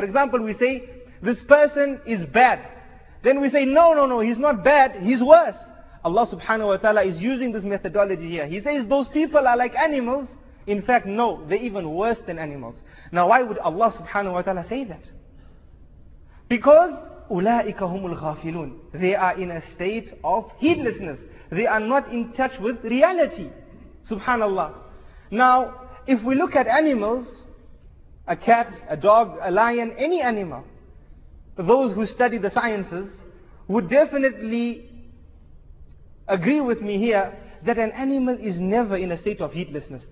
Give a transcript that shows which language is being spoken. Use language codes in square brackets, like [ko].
[en] For example, we say, this person is bad. Then we say, no, he's not bad, he's worse. Allah subhanahu wa ta'ala is using this methodology here. He says, those people are like animals. In fact, no, they're even worse than animals. Now, why would Allah subhanahu wa ta'ala say that? Because, [ar] أُولَٰئِكَ هُمُ الْغَافِلُونَ. [en] They are in a state of heedlessness. They are not in touch with reality. Subhanallah. Now, if we look at animals, a cat, a dog, a lion, any animal, those who study the sciences would definitely agree with me here that an animal is never in a state of heedlessness.